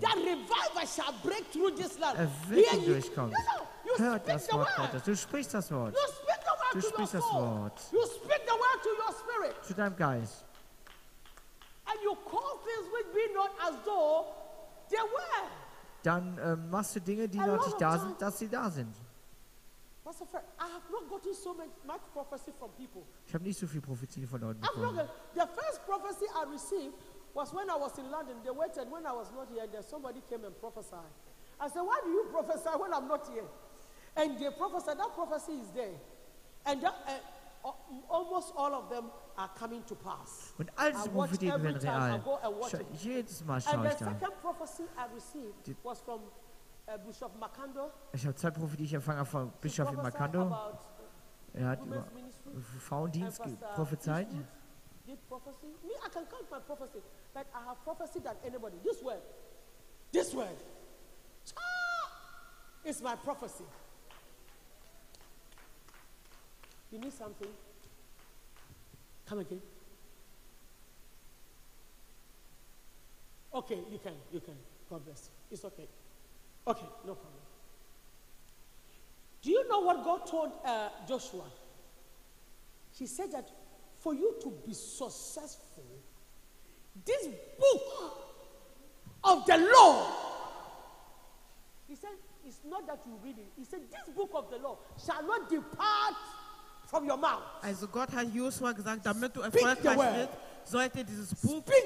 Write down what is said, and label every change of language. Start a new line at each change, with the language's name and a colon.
English: That revival shall break through this land.
German: Erweckung durchkommt. Hört das Wort Gottes. Du sprichst das Wort.
English: You speak the word
German: du sprichst das Wort.
English: You speak the word to your spirit.
German: Zu deinem Geist.
English: And you call things which be not as though they were.
German: Dann machst du Dinge, die noch nicht da sind, dass sie da sind.
English: Pastor Fred, I have not gotten so much prophecy from people.
German: Ich habe nicht so viel Prophezeien von Leuten bekommen.
English: The first prophecy I received was when I was in London. They waited when I was not here, and then somebody came and prophesied. I said, why do you prophesy when I'm not here? And they prophesied, that prophecy is there. And that, almost all of them are coming to pass.
German: Und all diese Prophezeien werden real. Jedes Mal schaue ich da.
English: And the second prophecy I received was from Bischof Makando.
German: Ich habe zwei Prophezeien, die ich empfangen habe von Bischof Makando. Er hat über Frauendienst prophezeit.
English: Me, I can count my prophecy. Like I have prophecy than anybody. This word. This word. It's my prophecy. You need something? Come again. Okay, you can. You can. God bless you. It's okay. Okay, no problem. Do you know what God told Joshua? He said that for you to be successful, this book of the law, he said, it's not that you read it. He said, this book of the law shall not depart from your mouth.
German: Also Gott hat Joshua gesagt, damit du erfolgreich bist, sollte dieses Buch